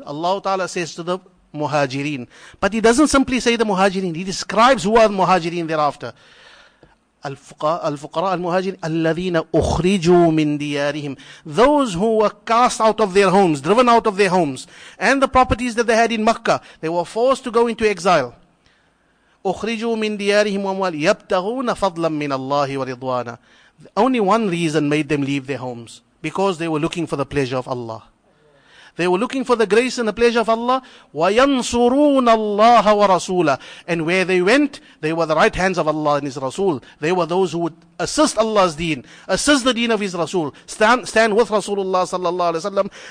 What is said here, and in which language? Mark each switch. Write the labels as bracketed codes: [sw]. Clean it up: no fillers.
[en] Allah Ta'ala says to the muhajirin. But he doesn't simply say the muhajirin, he describes who are the muhajirin thereafter. [ar] Al-fuqara al-muhajirin, alladhina ukhriju min diyarihim. [en] Those who were cast out of their homes, driven out of their homes, and the properties that they had in Makkah, they were forced to go into exile. [ar] أخرجوا من ديارهم وأموال يبتغون فضلا من الله ورضوانا. [en] Only one reason made them leave their homes, Because they were looking for the pleasure of Allah. They were looking for the grace and the pleasure of Allah. [ar] وَيَنْصُرُونَ اللَّهَ وَرَسُولَهُ. [en] And where they went, they were the right hands of Allah and His Rasul. They were those who would assist Allah's deen, assist the deen of His Rasul, stand with Rasulullah sallallahu alaihi wasallam.